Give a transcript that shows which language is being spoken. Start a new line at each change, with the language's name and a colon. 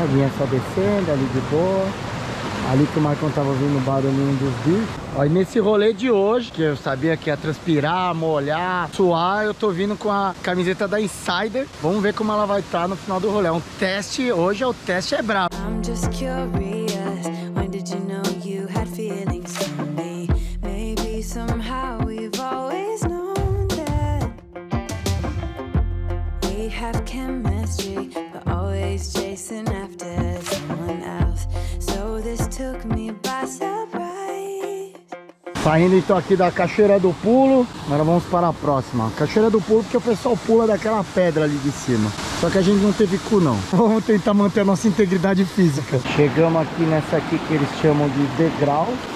Portuguese: A linha só descendo ali de boa. Ali que o Marcão tava ouvindo o barulhinho dos bichos. Aí nesse rolê de hoje, que eu sabia que ia transpirar, molhar, suar, eu tô vindo com a camiseta da Insider. Vamos ver como ela vai estar no final do rolê. É um teste, hoje é o teste, é brabo.
English: I'm just curious, when did you know you had feelings for me? Maybe somehow we've always known that we have chemistry, but always chasing after someone else. So this took me by surprise.
Portuguese: Saindo então aqui da Cachoeira do Pulo, agora vamos para a próxima. Cachoeira do Pulo, porque o pessoal pula daquela pedra ali de cima. Só que a gente não teve cu, não. Vamos tentar manter a nossa integridade física. Chegamos aqui nessa aqui que eles chamam de degrau.